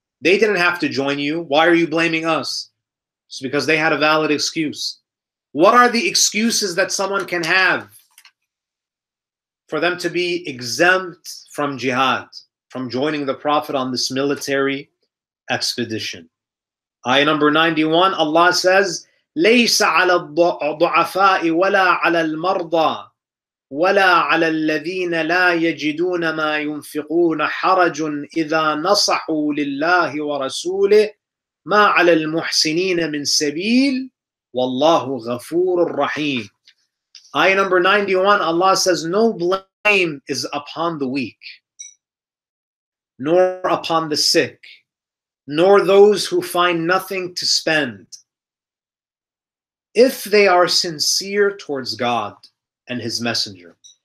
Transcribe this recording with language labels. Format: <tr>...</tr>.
<en>They didn't have to join you. Why are you blaming us? It's because they had a valid excuse. What are the excuses that someone can have for them to be exempt from jihad, from joining the Prophet on this military expedition? Ayah number 91, Allah says,</en> <ar>لَيْسَ عَلَى الضُعَفَاءِ وَلَا عَلَى الْمَرْضَى وَلَا عَلَى الَّذِينَ لَا يَجِدُونَ مَا يُنْفِقُونَ حَرَجٌ إِذَا نَصَحُوا لِلَّهِ وَرَسُولِهِ مَا عَلَى الْمُحْسِنِينَ مِنْ سَبِيلٍ وَاللَّهُ غَفُورٌ رَحِيمٌ.</ar> <en>Ayah number 91, Allah says, no blame is upon the weak, nor upon the sick, nor those who find nothing to spend, if they are sincere towards God and His Messenger.</en>